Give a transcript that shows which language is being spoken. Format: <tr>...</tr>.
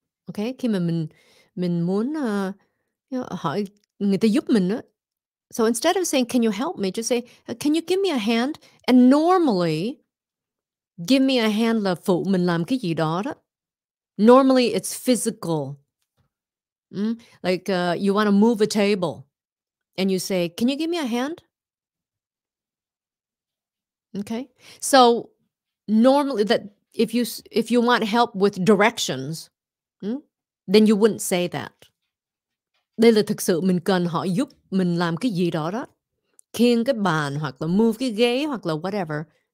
<vi>Okay, khi mà mình muốn hỏi người ta giúp mình đó.</vi> <en>So instead of saying, can you help me, just say, can you give me a hand? And normally, Give me a hand</en> <vi>là phụ mình làm cái gì đó đó.</vi> <en>Normally it's physical. Like you want to move a table and you say, can you give me a hand? Okay. So normally that if you want help with directions, then you wouldn't say that.</en> <vi>Đây là thực sự mình cần họ giúp mình làm cái gì đó đó. Khiêng cái bàn hoặc là move cái ghế hoặc là whatever.</vi>